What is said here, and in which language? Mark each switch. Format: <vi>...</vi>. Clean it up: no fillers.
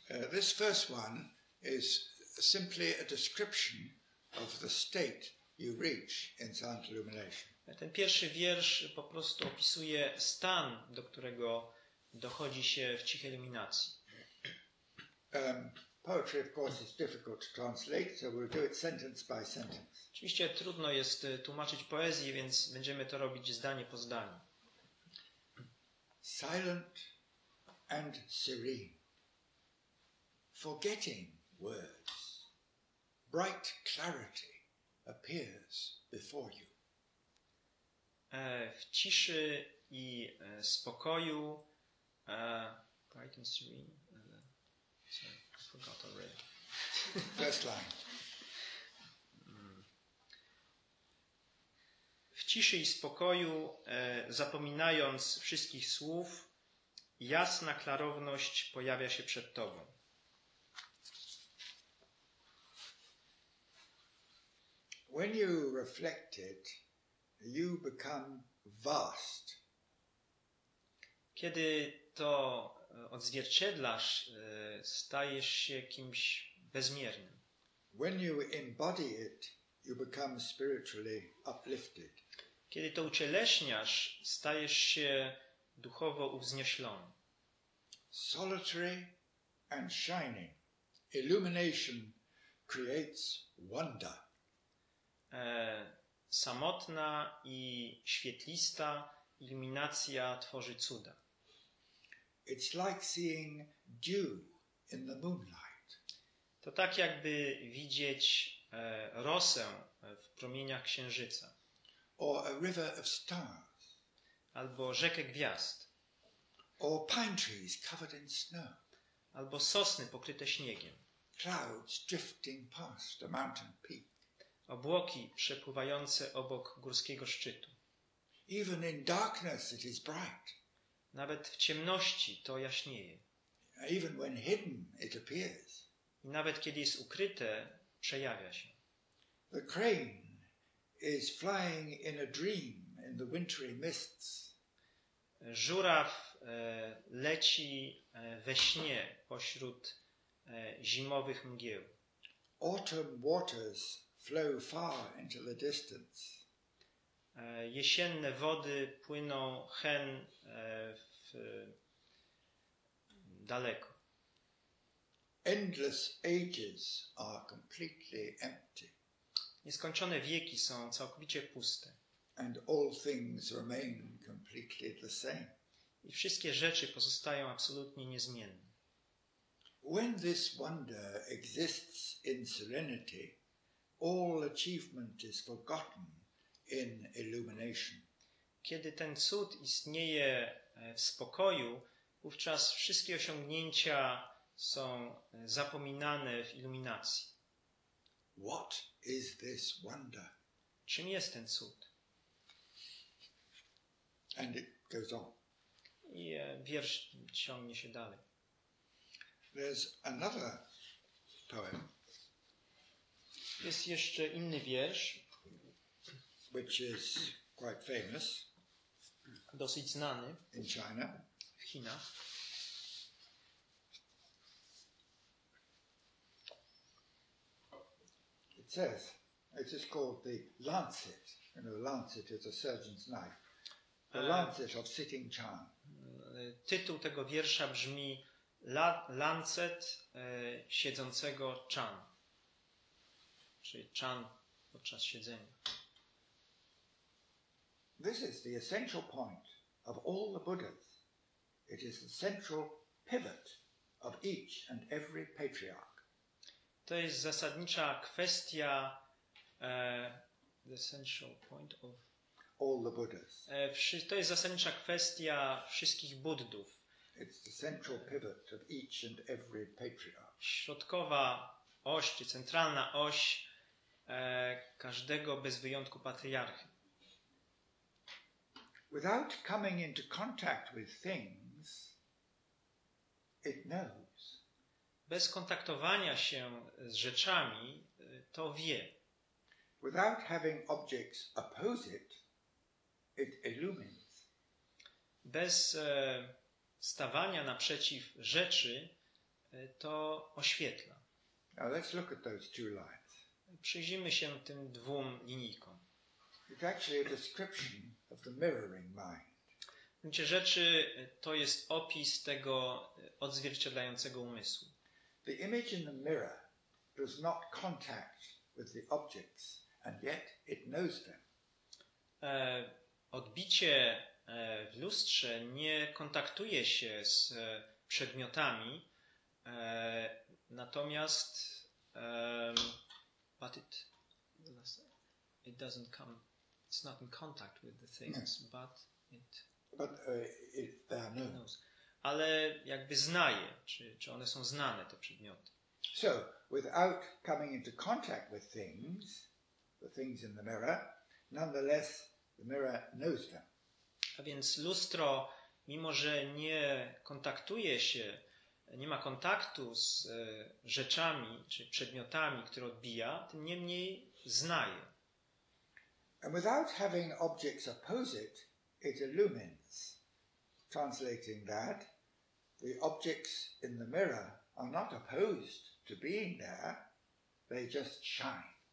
<en>This first one is simply a description of the state you reach in silent illumination.</en> <pl>Ten pierwszy wiersz po prostu opisuje stan, do którego dochodzi się w cichej iluminacji.</pl> <en>Poetry, of course, is difficult to translate, so we'll do it sentence by sentence.</en> <pl>Oczywiście trudno jest tłumaczyć poezję, więc będziemy to robić zdanie po zdaniu.</pl> <en>Silent and serene, forgetting words, bright clarity appears before you.</en> <pl>W ciszy i spokoju,</pl> <en>bright and serene. Sorry, I forgot already. First line.</en> <pl>W ciszy i spokoju, zapominając wszystkich słów, jasna klarowność pojawia się przed tobą.</pl> <en>When you reflect it, you become vast.</en> <pl>Kiedy to odzwierciedlasz, stajesz się kimś bezmiernym.</pl> <en>When you embody it, you become spiritually uplifted.</en> <pl>Kiedy to ucieleśniasz, stajesz się duchowo uwznieślony.</pl> <en>Solitary and shining, illumination creates wonder.</en> <pl>Samotna i świetlista iluminacja tworzy cuda.</pl> <en>It's like seeing dew in the moonlight.</en> <pl>To tak jakby widzieć rosę w promieniach księżyca.</pl> <en>Or a river of stars.</en> <pl>Albo rzekę gwiazd.</pl> <en>Or pine trees covered in snow.</en> <pl>Albo sosny pokryte śniegiem.</pl> <en>Clouds drifting past a mountain peak.</en> <pl>Obłoki przepływające obok górskiego szczytu.</pl> <en>Even in darkness it is bright.</en> <pl>Nawet w ciemności to jaśnieje.</pl> <en>Even when hidden it appears.</en> <pl>I nawet kiedy jest ukryte, przejawia się.</pl> <en>The crane is flying in a dream in the wintry mists.</en> <pl>Żuraw leci we śnie pośród zimowych mgieł.</pl> <en>Autumn waters flow far into the distance.</en> <pl>Jesienne wody płyną hen w daleko.</pl> <en>Endless ages are completely empty.</en> <pl>Nieskończone wieki są całkowicie puste.</pl> <en>And all things remain completely the same.</en> <pl>I wszystkie rzeczy pozostają absolutnie niezmienne.</pl> <en>When this wonder exists in serenity, all achievement is forgotten in illumination.</en> <pl>Kiedy ten cud istnieje w spokoju, wówczas wszystkie osiągnięcia są zapominane w iluminacji.</pl> <en>What is this wonder?</en> <pl>Czym jest ten cud?</pl> <en>And it goes on.</en> <pl>I wiersz ciągnie się dalej.</pl> <en>There's another poem.</en> <pl>Jest jeszcze inny wiersz,</pl> <en>which is quite famous.</en> <pl>Dosyć znany.</pl> <en>In China.</en> <pl>W Chinach.</pl> <en>It says, it is called the lancet. You know, the lancet is a surgeon's knife. The lancet of Sitting Chan.</en> <pl>Tytuł tego wiersza brzmi Lancet siedzącego Chan. Czyli Chan podczas siedzenia.</pl> <en>This is the essential point of all the Buddhas. It is the central pivot of each and every patriarch.</en> <pl>To jest zasadnicza kwestia,</pl> <en>the essential point of all the Buddhas.</en> <pl>To jest zasadnicza kwestia wszystkich Buddów.</pl> <en>It's the central pivot of each and every patriarch.</en> <pl>Środkowa oś, czy centralna oś każdego bez wyjątku patriarchy.</pl> <en>Without coming into contact with things, it knows.</en> <pl>Bez kontaktowania się z rzeczami, to wie.</pl> <en>Without having objects oppose it, it illumines.</en> <pl>Bez stawania naprzeciw rzeczy, to oświetla.</pl> <en>Now let's look at those two lines.</en> <pl>Przyjrzyjmy się tym dwóm linijkom.</pl> <en>It's actually a description of the mirroring mind.</en> <pl>W gruncie rzeczy to jest opis tego odzwierciedlającego umysłu.</pl> <en>The image in the mirror does not contact with the objects, and yet it knows them.</en> <pl>Odbicie w lustrze nie kontaktuje się z przedmiotami, natomiast</pl> <en>but it doesn't come. It's not in contact with the things, no. but they are known. Knows.</en> <pl>Ale jakby znaje, czy one są znane, te przedmioty.</pl> <en>So, without coming into contact with things, the things in the mirror, nonetheless, the mirror knows them.</en> <pl>A więc lustro, mimo że nie kontaktuje się, nie ma kontaktu z rzeczami, czy przedmiotami, które odbija, tym niemniej znaje.</pl> <en>And without having objects oppose it, it illumines. Translating that, the objects in the mirror are not opposed to being there, they just shine.</en>